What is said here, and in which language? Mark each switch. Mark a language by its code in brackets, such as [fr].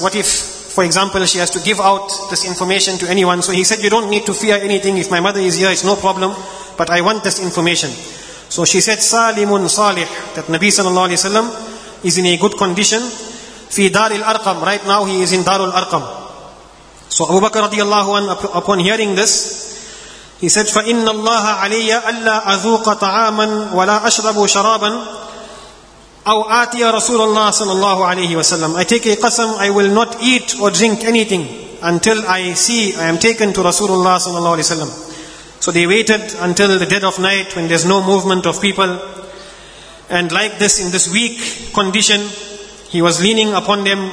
[en] What if, for example, she has to give out this information to anyone? So he said, you don't need to fear anything. If my mother is here, it's no problem. But I want this information. So she said, [ar] Salimun Salih, [en] that Nabi sallallahu alayhi wa sallam is in a good condition. [ar] Fi Daril Arqam, [en] right now he is in Darul Arqam. So Abu Bakr radiallahu anhu, upon hearing this, he said, [ar] فَإِنَّ اللَّهَ عَلَيَّ أَلَّا أَذُوقَ طَعَامًا وَلَا أَشْرَبُ شَرَابًا أَوْ آتِيَ رَسُولَ اللَّهِ صَلَى اللَّهُ عَلَيْهِ وَسَلَّمْ. [en] I take a qasam, I will not eat or drink anything until I am taken to Rasulullah صلى الله عليه وسلم. So they waited until the dead of night when there's no movement of people. And like this, in this weak condition, he was leaning upon them.